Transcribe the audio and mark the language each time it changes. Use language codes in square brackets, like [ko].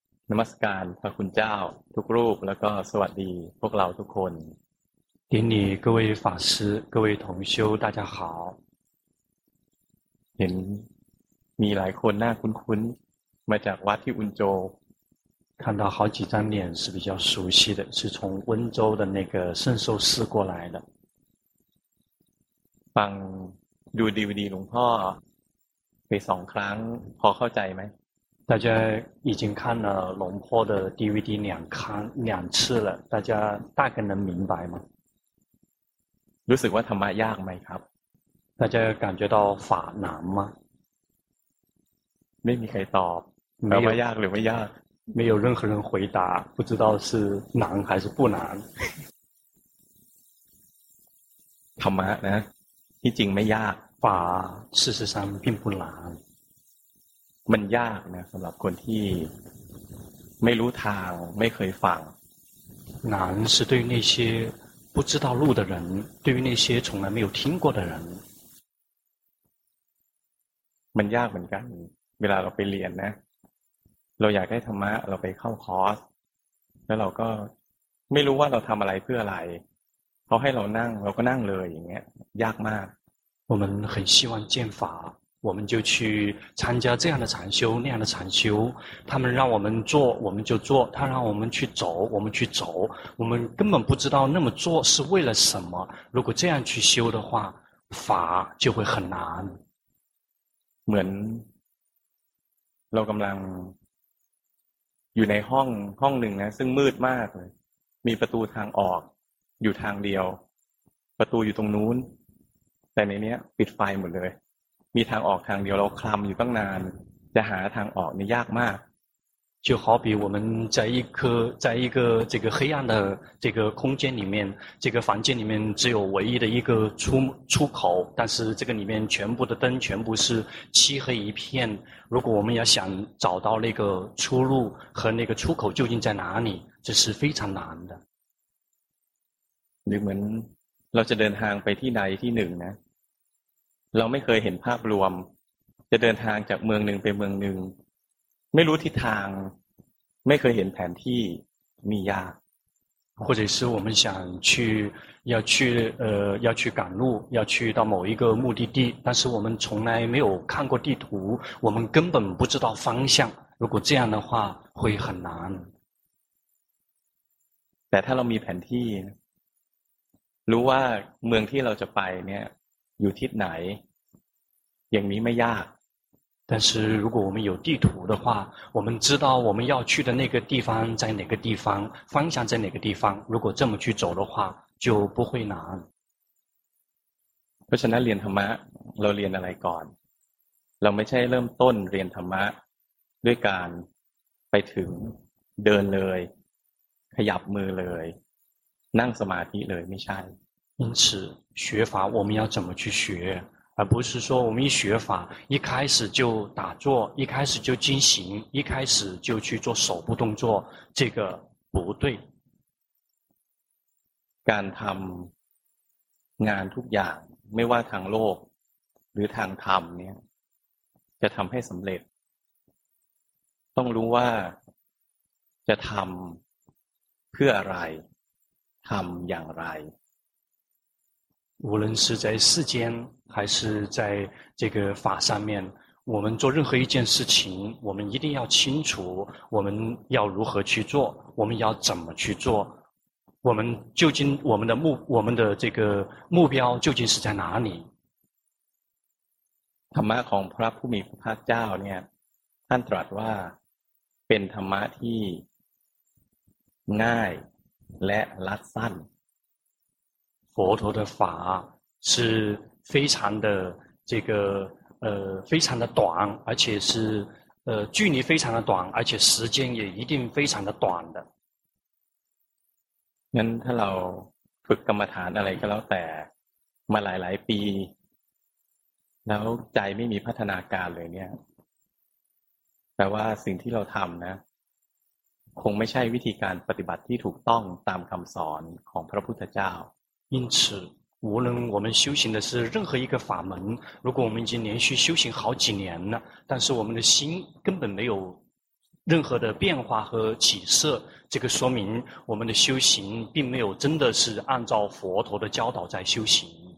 [th] นมัสการพระคุณเจ้าทุกรูปแล้วก็สวัสดีพวกเราทุกคน [zh] 顶礼各位法师各位同修大家好 [th] เห็นมีหลายคนหน้าคุ้นๆมาจากวัดที่อุนโจ [zh] 看到好几张脸是比较熟悉的是从温州的那个圣寿寺过来的 [th] ฟังดูดีวดีหลวงพ่อไปสองครั้งพอเข้าใจไหม [zh] 大家已经看了龙坡的 DVD 两次了，大家大概能明白吗？ [th] รู้สึกว่าธรรมะยากไหมครับ？ [zh] 大家感觉到法难吗？ [th] ไม่มีใครตอบ。 ธรรมะยากหรือไม่ยาก？ [zh] 没有任何人回答，不知道是难还是不难。 [th] ธรรมะนะ，ที่จริงไม่ยาก。 [zh] 法事实上并不难。 [th] มันยากนะสำหรับคนที่ไม่รู้ทางไม่เคยฟัง [zh] 难是对于那些不知道路的人对于那些从来没有听过的人 [th] มันยากเหมือนกันเวลาเราไปเรียนนะเราอยากได้ธรรมะเราไปเข้าคอร์สแล้วเราก็ไม่รู้ว่าเราทำอะไรเพื่ออะไรเขาให้เรานั่งเราก็นั่งเลยอย่างเงี้ยยากมาก [zh] 我们很希望见法我们就去参加这样的禅修那样的禅修他们让我们做我们就做他让我们去走我们去走我们根本不知道那么做是为了什么如果这样去修的话法就会很难 [th] เหมือนเรากำลังอยู่ในห้องหนึ่งนะซึ่งมืดมากเลยมีประตูทางออกอยู่ทางเดียวประตูอยู่ตรงนู้นแต่ในนี้ปิดไฟหมดเลยมีทางออกทางเดียวเราคลำอยู่ตั้งนานจะหาทางออกนี่ยากมาก [zh] 就好比我们在一个这个黑暗的这个空间里面这个房间里面只有唯一的一个出口但是这个里面全部的灯全部是漆黑一片如果我们要想找到那个出路和那个出口究竟在哪里这是非常难的 [th] หรือเหมือนเราจะเดินทางไปที่ใดที่หนึ่งนะเราไม่เคยเห็นภาพรวมจะเดินทางจากเมืองหนึ่งไปเมืองหนึ่งไม่รู้ทิศทางไม่เคยเห็นแผนที่มียาก [zh] 或者是我们想去要去要去赶路要去到某一个目的地但是我们从来没有看过地图我们根本不知道方向如果这样的话会很难 [th] แต่ถ้าเรามีแผนที่รู้ว่าเมืองที่เราจะไปเนี่ยอยู่ทิศไหนอย่างนี้ไม่ยาก [zh] 但是如果我们有地图的话我们知道我们要去的那个地方在哪个地方方向在哪个地方如果这么去走的话就不会难 [th] เพราะฉะนั้นเรียนธรรมะเราเรียนอะไรก่อนเราไม่ใช่เริ่มต้นเรียนธรรมะด้วยการไปถึงเดินเลยขยับมือเลยนั่งสมาธิเลยไม่ใช่ [zh] 因此学法我们要怎么去学而不是说我们一学法一开始就打坐一开始就进行一开始就去做手部动作这个不对 [th] การทำงานทุกอย่างไม่ว่าทางโลกหรือทางธรรมเนี่ยจะทำให้สำเร็จต้องรู้ว่าจะทำเพื่ออะไรทำอย่างไร [zh] 无论是在世间还是在这个法上面我们做任何一件事情我们一定要清楚我们要如何去做我们要怎么去做我们究竟我们的这个目标究竟是在哪里 [th] ธรรมะของพระผู้มีพระภาคเจ้าเนี่ยท่านตรัสว่าเป็นธรรมะที่ง่ายและรัดสั้น [zh] 佛陀的法是非常的这个非常的短而且是距离非常的短而且时间也一定非常的短的 [th] งั้นถ้าเราฝึกกรรมฐานอะไรก็แล้วแต่มาหลายปีแล้วใจไม่มีพัฒนาการเลยเนี่ยแปลว่าสิ่งที่เราทำนะคงไม่ใช่วิธีการปฏิบัติที่ถูกต้องตามคำสอนของพระพุทธเจ้า [zh] 因此无论我们修行的是任何一个法门如果我们已经连续修行好几年了但是我们的心根本没有任何的变化和起色，这个说明我们的修行并没有真的是按照佛陀的教导在修行。